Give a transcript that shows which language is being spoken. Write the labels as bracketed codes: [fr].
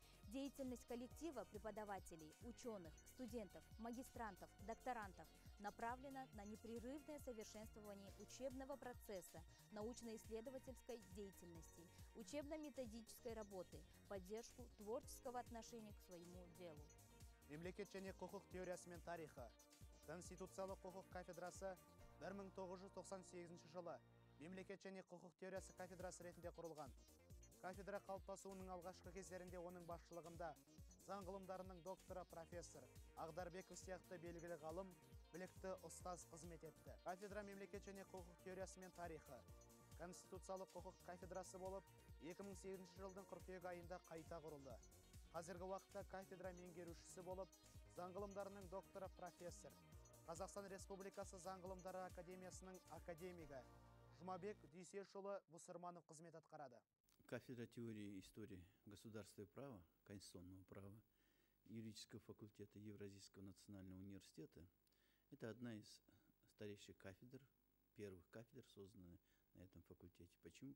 [ru] Деятельность коллектива преподавателей, ученых, студентов, магистрантов, докторантов направлена на непрерывное совершенствование учебного процесса, научно-исследовательской деятельности, учебно-методической работы, поддержку творческого отношения к своему делу. [kk] Мемлекет және құқық теориясы мен тарихы. Конституциялық құқық кафедрасы 1998 жылы мемлекет және құқық теориясы кафедрасы ретінде құрылған. Кафедра қалыптасуының алғашқы кездерінде оның басшылығында заң ғылымдарының докторы профессор Ағдарбеков сияқты белгілі ғалым білікті ұстаз қызмет етті. Кафедра мемлекет және құқық теориясы мен тарихы конституциялық құқық кафедрасы болып 2008 жылдың 42 айында қайта құрылды. Қазіргі уақытта кафедра меңгерушісі болып заң ғылымдарының докторы профессор Қазақстан Республикасы заң ғылымдары академиясының академигі Жұмабек Дүйсешұлы Бусырманов қызмет атқарады. [ru] Кафедра теории и истории государства и права, конституционного права юридического факультета Евразийского национального университета – это одна из старейших кафедр, первых кафедр, созданных на этом факультете. Почему?